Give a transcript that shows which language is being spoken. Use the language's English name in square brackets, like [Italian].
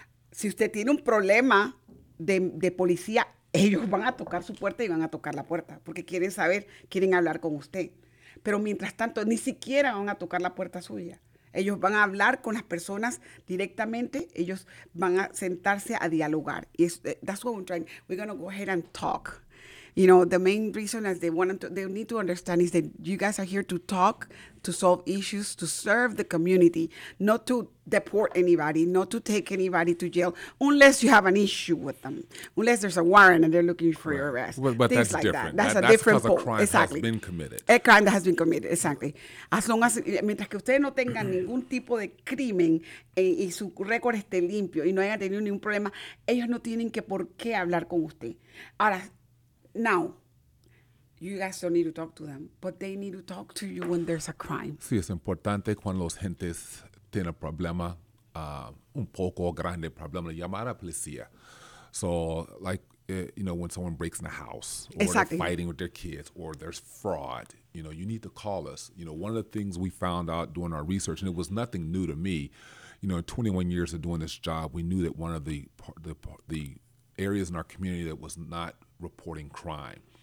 [Spanish] Si usted tiene un problema de policía, ellos van a tocar su puerta y van a tocar la puerta, porque quieren saber, quieren hablar con usted. Pero mientras tanto, ni siquiera van a tocar la puerta suya. Ellos van a hablar con las personas directamente, ellos van a sentarse a dialogar. Y es, [English] that's what we're trying. We're going to go ahead and talk. You know, the main reason is they need to understand is that you guys are here to talk, to solve issues, to serve the community, not to deport anybody, not to take anybody to jail, unless you have an issue with them, unless there's a warrant and they're looking for your arrest. But that's like different. That's a different point. That's because a crime has been committed. A crime that has been committed, exactly. As long as, [Spanish] mientras que ustedes no tengan ningún tipo de crimen y su récord esté limpio y no haya tenido ningún problema, ellos no tienen que por qué hablar con usted. Ahora, [English] now, you guys don't need to talk to them, but they need to talk to you when there's a crime. [Spanish] Sí, es importante cuando los gentes tienen problema, un poco grande problema, llamar a policía. [English] So, like, you know, when someone breaks in the house, or exactly, they're fighting with their kids, or there's fraud, you know, you need to call us. You know, one of the things we found out doing our research, and it was nothing new to me, you know, 21 years of doing this job, we knew that one of the areas in our community that was not reporting crime.